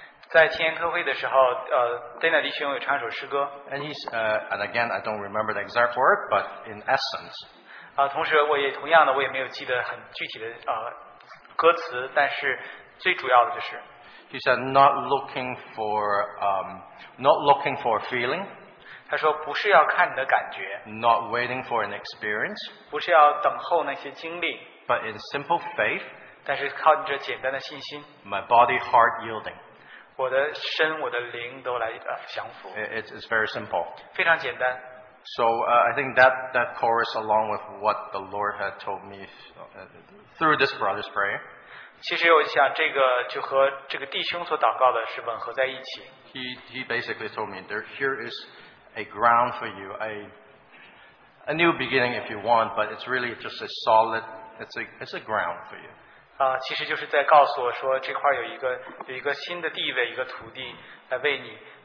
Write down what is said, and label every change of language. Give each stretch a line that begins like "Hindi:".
Chinese: 在青年特会的时候, Dana 弟兄有唱一首诗歌。
English: And he's and again, I don't remember the exact word, but in essence.
Chinese: 同时我也同样的我也没有记得很具体的 歌词, 但是最主要的就是,
English: he said not looking for a feeling.
Chinese: 他说不是要看你的感觉,
English: not waiting for an experience.
Chinese: 不是要等候那些经历,
English: but in simple faith.
Chinese: 但是靠着简单的信心,
English: my body heart yielding.
Chinese: 我的身, 我的灵都来,
English: it's very simple.
Chinese: 非常简单。
English: So I think that chorus along with what the Lord had told me through this brother's prayer.
Chinese: 其实我想这个就和这个弟兄所祷告的是吻合在一起。
English: He basically told me here is a ground for you, a new beginning if you want, but it's really just a solid, it's a ground for you.
Chinese: 其实就是在告诉我说这块有一个新的地位，一个土地来为你。